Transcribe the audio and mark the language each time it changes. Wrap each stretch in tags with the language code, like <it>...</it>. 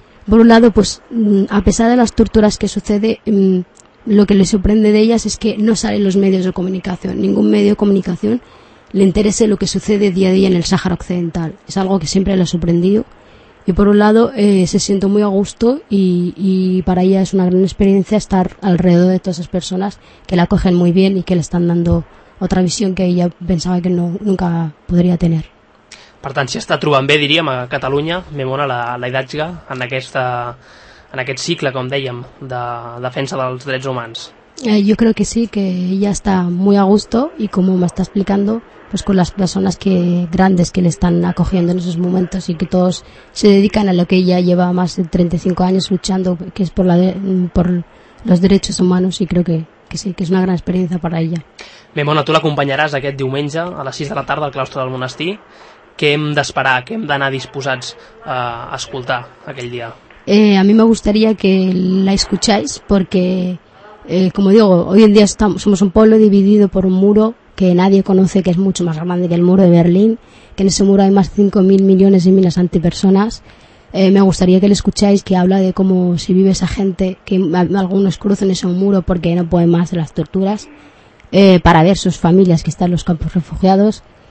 <es>Por un lado, pues a pesar de las torturas que sucede, lo que le sorprende de ellas es que no salen los medios de comunicación, ningún medio de comunicación le interese lo que sucede día a día en el Sáhara Occidental. Es algo que siempre le ha sorprendido, y por un lado se siente muy a gusto y para ella es una gran experiencia estar alrededor de todas esas personas que la acogen muy bien y que le están dando otra visión que ella pensaba que no, nunca podría tener.</es> <ca>Per tant, si està trobant bé, diríem, a Catalunya, Memona, la Idatzga, en aquest cicle, com dèiem, de defensa dels drets humans.</ca> <es>Yo creo que sí, que ella está muy a gusto y como me está explicando, pues con las personas que grandes que le están acogiendo en esos momentos y que todos se dedican a lo que ella lleva más de 35 años luchando, que es por los derechos humanos, y creo que sí, que es una gran experiencia para ella.</es> <ca>Memona, tu l'acompanyaràs aquest diumenge a les 6 de la tarda al claustre del monestir. Què hem d'esperar, què hem d'anar disposats a escoltar aquell dia?</ca> <es>A mí me gustaría que la escucháis porque, como digo, hoy en día somos un pueblo dividido por un muro que nadie conoce, que es mucho más grande que el muro de Berlín, que en ese muro hay más 5.000 millones y miles de antipersonas. Me gustaría que la escucháis, que habla de cómo si vive esa gente, que algunos crucen ese muro porque no pueden más de las torturas, para ver sus familias que están en los campos refugiados.</es>